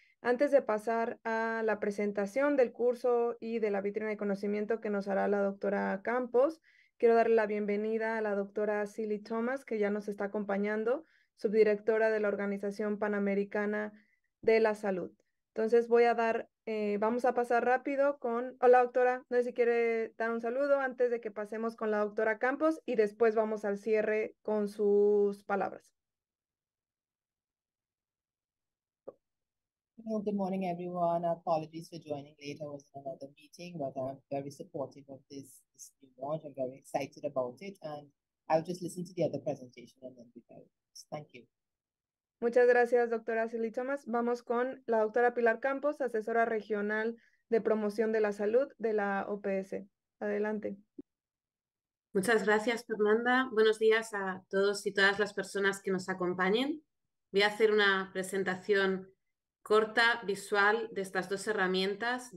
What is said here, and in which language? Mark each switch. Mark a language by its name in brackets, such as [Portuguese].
[Spanish] Antes de pasar a la presentación del curso y de la vitrina de conocimiento que nos hará la doctora Campos, quiero darle la bienvenida a la doctora Cilly Thomas, que ya nos está acompañando, subdirectora de la Organización Panamericana de la Salud. Entonces voy a dar, vamos a pasar rápido con, hola doctora, no sé si quiere dar un saludo antes de que pasemos con la doctora Campos y después vamos al cierre con sus palabras. [English] Well, good morning everyone, apologies for joining late, I was in another meeting, but I'm very supportive of this new launch, I'm very excited about it, and I'll just listen to the other presentation and then be very nice. Thank you. [Spanish] Muchas gracias, doctora Cilly Thomas. Vamos con la doctora Pilar Campos, asesora regional de promoción de la salud de la OPS. Adelante. Muchas gracias, Fernanda. Buenos días a todos y todas las personas que nos acompañen. Voy a hacer una presentación corta, visual, de estas dos herramientas.